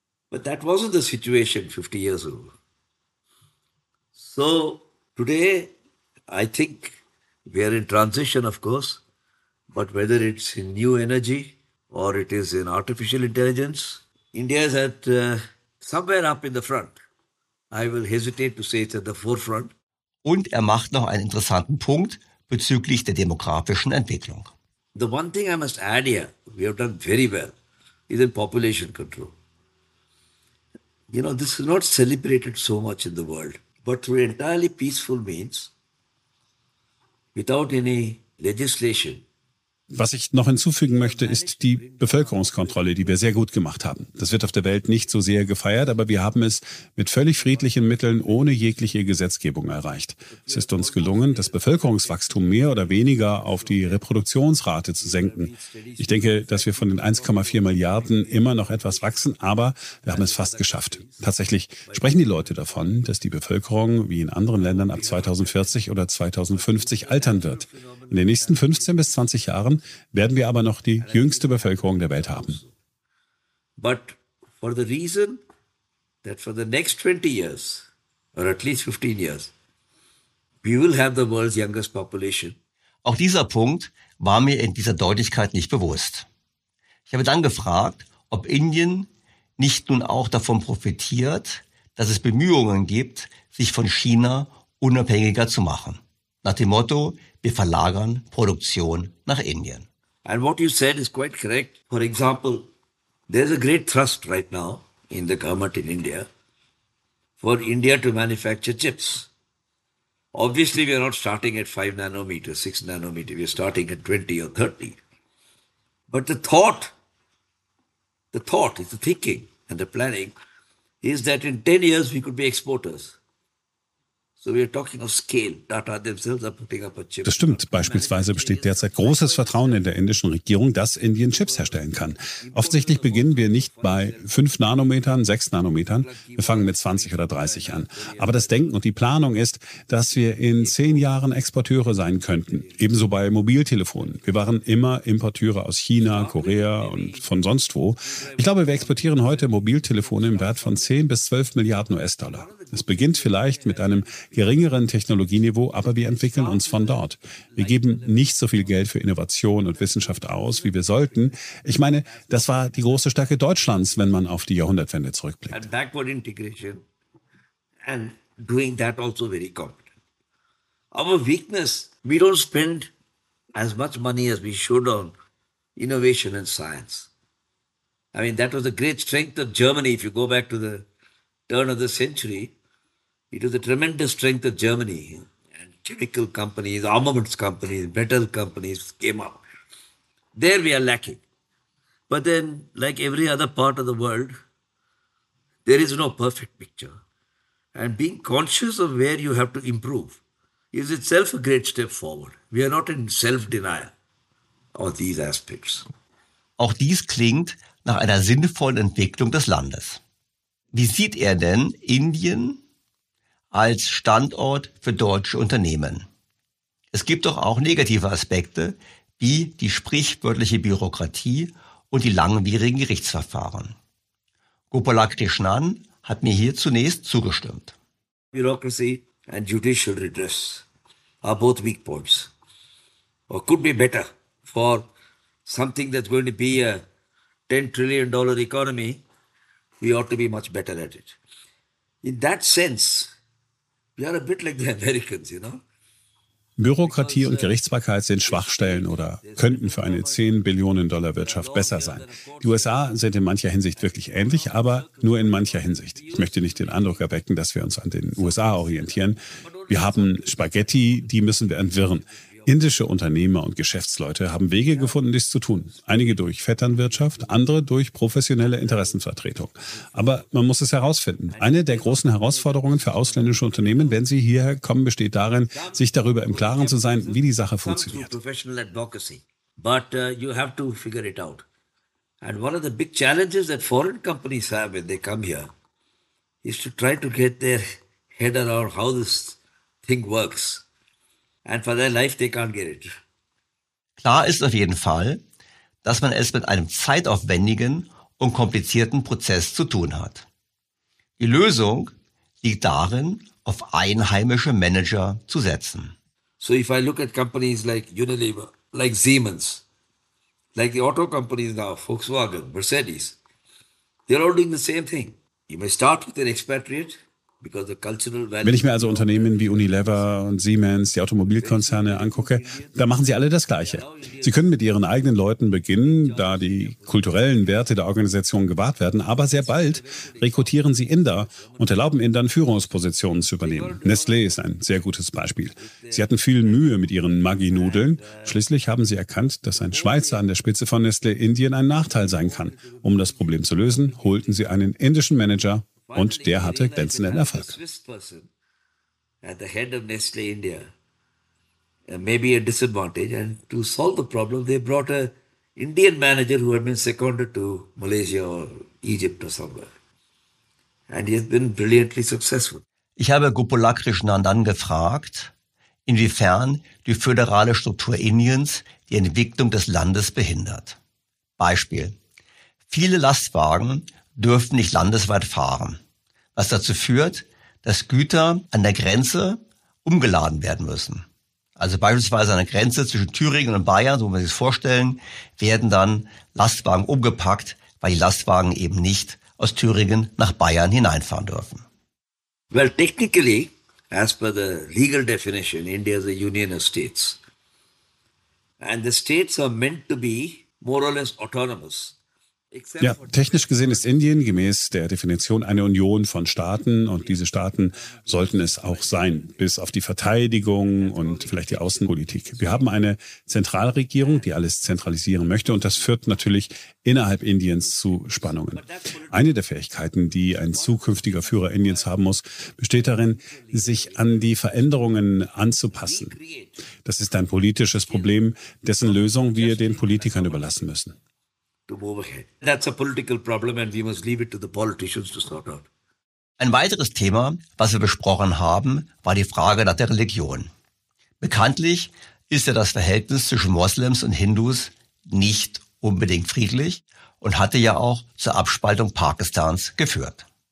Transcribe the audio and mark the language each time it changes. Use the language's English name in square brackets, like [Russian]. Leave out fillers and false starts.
[English] But that wasn't the situation 50 years ago. So today, I think we are in transition, of course, but whether it's in new energy or it is in artificial intelligence, India is at somewhere up in the front. I will hesitate to say it's at the forefront. [German] Und macht noch einen interessanten Punkt bezüglich der demografischen Entwicklung. [English] The one thing I must add here, we have done very well, is in population control. You know, this is not celebrated so much in the world, but through entirely peaceful means, without any legislation. [German] Was ich noch hinzufügen möchte, ist die Bevölkerungskontrolle, die wir sehr gut gemacht haben. Das wird auf der Welt nicht so sehr gefeiert, aber wir haben es mit völlig friedlichen Mitteln ohne jegliche Gesetzgebung erreicht. Es ist uns gelungen, das Bevölkerungswachstum mehr oder weniger auf die Reproduktionsrate zu senken. Ich denke, dass wir von den 1,4 Milliarden immer noch etwas wachsen, aber wir haben es fast geschafft. Tatsächlich sprechen die Leute davon, dass die Bevölkerung wie in anderen Ländern ab 2040 oder 2050 altern wird. In den nächsten 15 bis 20 Jahren werden wir aber noch die jüngste Bevölkerung der Welt haben. [English] But for the reason that for the next 20 years or at least 15 years we will have the world's youngest population. [German] Auch dieser Punkt war mir in dieser Deutlichkeit nicht bewusst. Ich habe dann gefragt, ob Indien nicht nun auch davon profitiert, dass es Bemühungen gibt, sich von China unabhängiger zu machen. Nach dem Motto, wir verlagern Produktion nach Indien. [English] And what you said is quite correct. For example, there's a great thrust right now in the government in India for India to manufacture chips. Obviously, we are not starting at 5 nanometer, 6 nanometer. We are starting at 20 or 30. But the thought is the thinking and the planning is that in 10 years we could be exporters. So we are talking of scale. Tata themselves are putting up a chip. [German] Das stimmt. Beispielsweise besteht derzeit großes Vertrauen in der indischen Regierung, dass Indien Chips herstellen kann. Offensichtlich beginnen wir nicht bei 5 Nanometern, 6 Nanometern. Wir fangen mit 20 oder 30 an. Aber das Denken und die Planung ist, dass wir in 10 Jahren Exporteure sein könnten. Ebenso bei Mobiltelefonen. Wir waren immer Importeure aus China, Korea und von sonst wo. Ich glaube, wir exportieren heute Mobiltelefone im Wert von 10 bis 12 Milliarden US-Dollar. Es beginnt vielleicht mit einem geringeren Technologieniveau, aber wir entwickeln uns von dort. Wir geben nicht so viel Geld für Innovation und Wissenschaft aus, wie wir sollten. Ich meine, das war die große Stärke Deutschlands, wenn man auf die Jahrhundertwende zurückblickt. [English] And backward integration and doing that also very competent. Our weakness, we don't spend as much money as we should on innovation and science. I mean, that was the great strength of Germany, if you go back to the turn of the century. It was a tremendous strength of Germany and chemical companies, armaments companies, metal companies came up. There we are lacking. But then, like every other part of the world, there is no perfect picture. And being conscious of where you have to improve is itself a great step forward. We are not in self-denial of these aspects. [German] Auch dies klingt nach einer sinnvollen Entwicklung des Landes. Wie sieht denn Indien als Standort für deutsche Unternehmen? Es gibt doch auch negative Aspekte, wie die sprichwörtliche Bürokratie und die langwierigen Gerichtsverfahren. Gopala Krishnan hat mir hier zunächst zugestimmt. [English] Bureaucracy and judicial redress are both weak points. Or could be better for something that's going to be a $10 trillion economy. We ought to be much better at it. In that sense, we are a bit like the Americans, you know? [German] Bürokratie und Gerichtsbarkeit sind Schwachstellen oder könnten für eine 10-Billionen-Dollar-Wirtschaft besser sein. Die USA sind in mancher Hinsicht wirklich ähnlich, aber nur in mancher Hinsicht. Ich möchte nicht den Eindruck erwecken, dass wir uns an den USA orientieren. Wir haben Spaghetti, die müssen wir entwirren. Indische Unternehmer und Geschäftsleute haben Wege gefunden, dies zu tun. Einige durch Vetternwirtschaft, andere durch professionelle Interessenvertretung. Aber man muss es herausfinden. Eine der großen Herausforderungen für ausländische Unternehmen, wenn sie hierher kommen, besteht darin, sich darüber im Klaren zu sein, wie die Sache funktioniert. [English] But you have to figure it out. And one of the big challenges that foreign companies have when they come here is to try to get their head around how this thing works. And for their life they can't get it. [German] Klar ist auf jeden Fall, dass man es mit einem zeitaufwendigen und komplizierten Prozess zu tun hat. Die Lösung liegt darin, auf einheimische Manager zu setzen. [English] So if I look at companies like Unilever, like Siemens, like the auto companies now, Volkswagen, Mercedes, they're all doing the same thing. You may start with an expatriate, because the cultural value. [German] Wenn ich mir also Unternehmen wie Unilever und Siemens, die Automobilkonzerne angucke, da machen sie alle das Gleiche. Sie können mit ihren eigenen Leuten beginnen, da die kulturellen Werte der Organisation gewahrt werden, aber sehr bald rekrutieren sie Inder und erlauben Indern, Führungspositionen zu übernehmen. Nestlé ist ein sehr gutes Beispiel. Sie hatten viel Mühe mit ihren Maggi-Nudeln. Schließlich haben sie erkannt, dass ein Schweizer an der Spitze von Nestlé Indien ein Nachteil sein kann. Um das Problem zu lösen, holten sie einen indischen Manager. Und der hatte glänzenden Erfolg. [English] At the head of Nestle India, maybe a disadvantage, and to solve the problem, they brought an Indian manager who had been seconded to Malaysia or Egypt or somewhere, and he has been brilliantly successful. [German] Ich habe Gopala Krishnandan gefragt, inwiefern die föderale Struktur Indiens die Entwicklung des Landes behindert. Beispiel: Viele Lastwagen dürfen nicht landesweit fahren, was dazu führt, dass Güter an der Grenze umgeladen werden müssen. Also beispielsweise an der Grenze zwischen Thüringen und Bayern, so muss man sich das vorstellen, werden dann Lastwagen umgepackt, weil die Lastwagen eben nicht aus Thüringen nach Bayern hineinfahren dürfen. [English] Well, technically, as per the legal definition, India is a union of states. And the states are meant to be more or less autonomous. [German] Ja, technisch gesehen ist Indien gemäß der Definition eine Union von Staaten und diese Staaten sollten es auch sein, bis auf die Verteidigung und vielleicht die Außenpolitik. Wir haben eine Zentralregierung, die alles zentralisieren möchte und das führt natürlich innerhalb Indiens zu Spannungen. Eine der Fähigkeiten, die ein zukünftiger Führer Indiens haben muss, besteht darin, sich an die Veränderungen anzupassen. Das ist ein politisches Problem, dessen Lösung wir den Politikern überlassen müssen. [English] That's a political problem and we must leave it to the politicians to sort out. [German] Ein weiteres Thema, was wir besprochen haben, war die Frage nach der Religion. Bekanntlich ist ja das Verhältnis zwischen Moslems und Hindus nicht unbedingt friedlich und hatte ja auch zur Abspaltung Pakistans geführt.